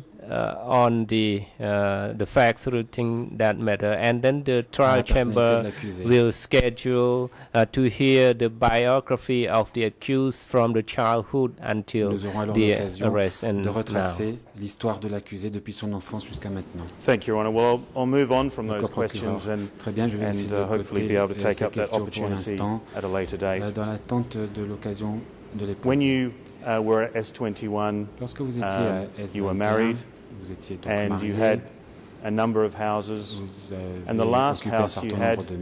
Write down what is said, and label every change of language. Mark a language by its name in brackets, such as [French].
[English] on the facts rooting that matter, and then the trial chamber will schedule to hear the biography of the accused from the childhood until the arrest and [French] de retracer l'histoire de l'accusé depuis son enfance jusqu'à maintenant. [English] Thank you, Your Honor. Well, I'll move on from those questions and [French] très bien, je vais [English] and hopefully be able to take up that opportunity at a later date. [French] Dans l'attente de l'occasion de l'époque. [English] When you were at S21, you were married. [French] Vous étiez donc [English] and [French] marié. [English] You had a number of houses, and the last house you had,